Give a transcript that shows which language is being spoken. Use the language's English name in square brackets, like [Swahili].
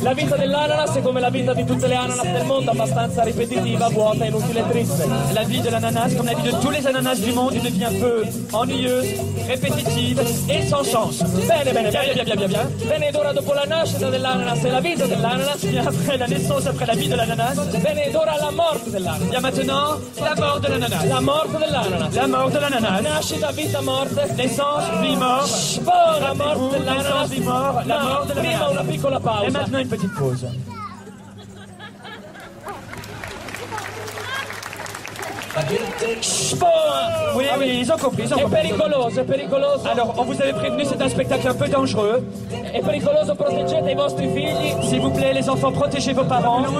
[Italian] La vita dell'ananas è come la vita di tutte le ananas del mondo, abbastanza ripetitiva, vuota, inutile e triste. La vita dell'ananas, come la vita di tutte le ananas [French] du monde, devient un peu ennuyeuse, répétitive e sans sens. [Italian] Bene, bene, bene, ed ora dopo la nascita dell'ananas e la vita dell'ananas. [French] Et après la naissance, après la [Italian] vita dell'ananas. Bene, ed ora la morte dell'ananas. [French] Et maintenant, la mort de l'ananas. [Italian] La morte dell'ananas. [French] La mort de l'ananas. [Italian] Nascita, vita, morte. [French] Naissance, vie, mort. La mort de l'ananas. Naissance, vie, mort. La mort de l'ananas. [Italian] Prima una piccola pausa. [French] Et maintenant une petite pause. Oui, ah oui, ils ont compris. C'est [Italian] pericoloso, c'est pericoloso. [French] Alors, on vous avait prévenu, c'est un spectacle un peu dangereux. [Italian] È pericoloso, proteggete i vostri figli. [French] S'il vous plaît, les enfants, protégez vos parents.